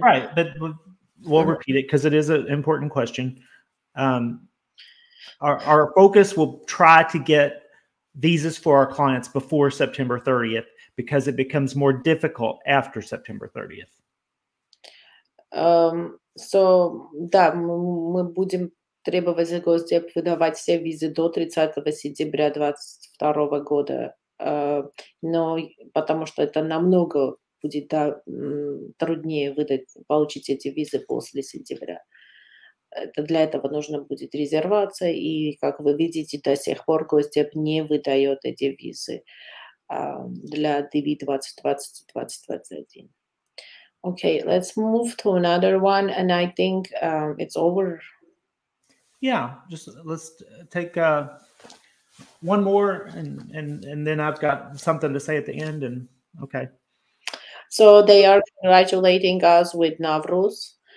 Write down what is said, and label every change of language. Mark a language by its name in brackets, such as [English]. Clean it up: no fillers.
[English] Right, but we'll repeat it because it is an important question. Our focus will try to get visas for our clients before September 30th because it becomes more difficult after September 30th. [Russian] So, да, мы будем требовать за гостя выдавать все визы до 30 сентября 2022 года, но потому что это намного будет труднее выдать, получить эти визы после сентября. Это для этого нужно будет резервация, и, как вы видите, до сих пор Госдеп не выдает эти визы для DV-2020-2021. [English] Okay, let's move to another one, and I think it's over. Yeah, just let's take one more, and then I've got something to say at the end, and okay. So they are congratulating us with Navruz.